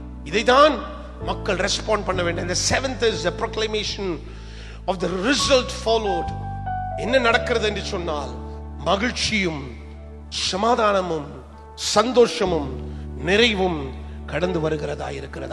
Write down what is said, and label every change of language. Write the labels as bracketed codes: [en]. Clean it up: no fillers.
[ta] இதைதான் மக்கள் ரெஸ்பாண்ட் பண்ண வேண்டும். [en] The seventh is the proclamation of the result followed. [ta] என்ன நடக்கிறது என்று சொன்னால், மகிழ்ச்சியும் சமாதானமும் சந்தோஷமும் நிறைவும் கடந்து வருகிறதா இருக்கிறது.